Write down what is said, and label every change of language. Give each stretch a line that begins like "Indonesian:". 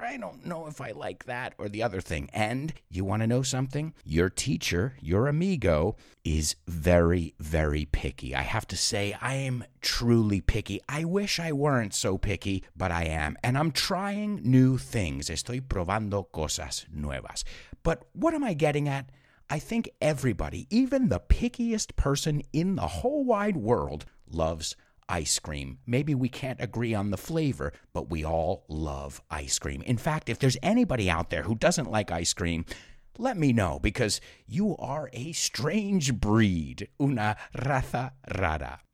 English: I don't know if I like that or the other thing. And you want to know something? Your teacher, your amigo, is very, very picky. I have to say, I am truly picky. I wish I weren't so picky, but I am. And I'm trying new things.
Spanish: Estoy probando cosas nuevas.
English: But what am I getting at? I think everybody, even the pickiest person in the whole wide world, loves ice cream. Maybe we can't agree on the flavor, but we all love ice cream. In fact, if there's anybody out there who doesn't like ice cream, let me know, because you are a strange breed,
Spanish: una raza rara.